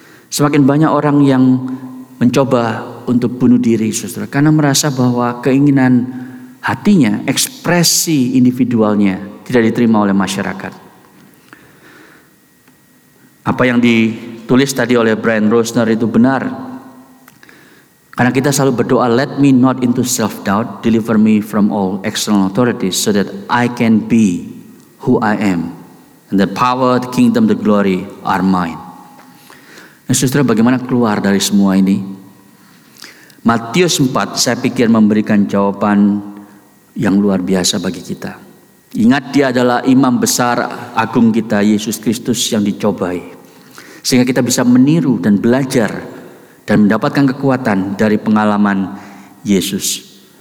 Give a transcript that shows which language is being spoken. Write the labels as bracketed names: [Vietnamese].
[Indonesian] Semakin banyak orang yang mencoba untuk bunuh diri, saudara, karena merasa bahwa keinginan hatinya, ekspresi individualnya tidak diterima oleh masyarakat. apa yang ditulis tadi oleh Brian Rosner itu benar. [English] Karena kita selalu berdoa, let me not into self-doubt, deliver me from all external authorities so that I can be who I am. And the power, the kingdom, the glory are mine. [Indonesian] Nah, saudara, bagaimana keluar dari semua ini? Matius 4 saya pikir memberikan jawaban yang luar biasa bagi kita. Ingat, dia adalah imam besar agung kita, Yesus Kristus yang dicobai. Sehingga kita bisa meniru dan belajar dan mendapatkan kekuatan dari pengalaman Yesus.